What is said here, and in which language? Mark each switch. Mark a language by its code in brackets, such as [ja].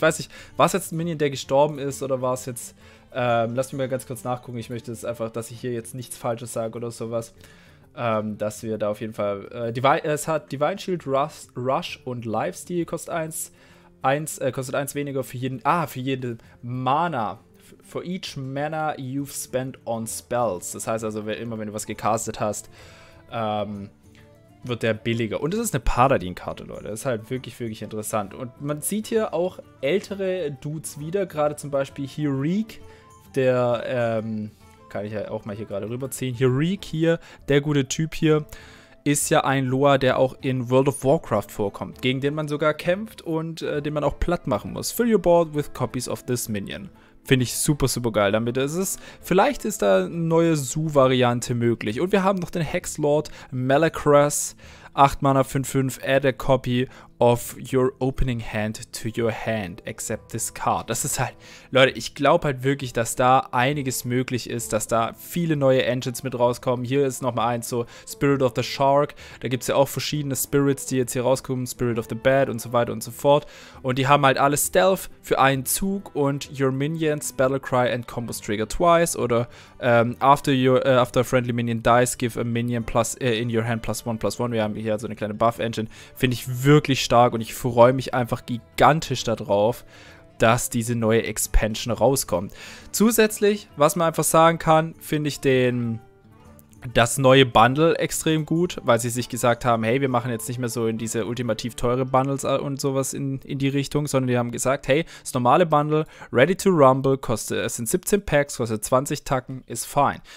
[de] Ich weiß nicht, war es jetzt ein Minion, der gestorben ist oder war es jetzt... lass mich mal ganz kurz nachgucken. Ich möchte jetzt einfach, dass ich hier jetzt nichts Falsches sage oder sowas. Dass wir da auf jeden Fall... es hat Divine Shield, Rush und Lifesteal kostet eins. Kostet eins weniger für jeden... für jeden Mana. [en] For each Mana you've spent on spells. [de] Das heißt also, wenn du was gecastet hast, wird der billiger. Und es ist eine Paladin-Karte, Leute. Das ist halt wirklich, wirklich interessant. Und man sieht hier auch ältere Dudes wieder. Gerade zum Beispiel hier Reek, der, kann ich ja auch mal hier gerade rüberziehen. Hier Reek hier, der gute Typ hier, ist ja ein Loa, der auch in World of Warcraft vorkommt. Gegen den man sogar kämpft und den man auch platt machen muss. [en] Fill your board with copies of this minion. [de] Finde ich super, super geil damit. Vielleicht ist da eine neue Zoo-Variante möglich. Und wir haben noch den Hexlord Malacras. 8 Mana, 5-5. [en] Add a copy of your opening hand to your hand. Accept this card. [de] Das ist halt... Leute, ich glaube halt wirklich, dass da einiges möglich ist. Dass da viele neue Engines mit rauskommen. Hier ist nochmal eins so. Spirit of the Shark. Da gibt es ja auch verschiedene Spirits, die jetzt hier rauskommen. Spirit of the Bad und so weiter und so fort. Und die haben halt alle Stealth für einen Zug. [en] Und your minions, Battlecry and Combos trigger twice. Oder after a friendly minion dies, give a minion plus in your hand +1/+1. [de] Wir haben hier so eine kleine Buff-Engine. Finde ich wirklich stark und ich freue mich einfach gigantisch darauf, dass diese neue Expansion rauskommt. Zusätzlich, was man einfach sagen kann, finde ich das neue Bundle extrem gut, weil sie sich gesagt haben, hey, wir machen jetzt nicht mehr so in diese ultimativ teure Bundles und sowas in die Richtung, sondern die haben gesagt, hey, das normale Bundle, Ready to Rumble, es sind 17 Packs, kostet 20 Tacken, ist fine.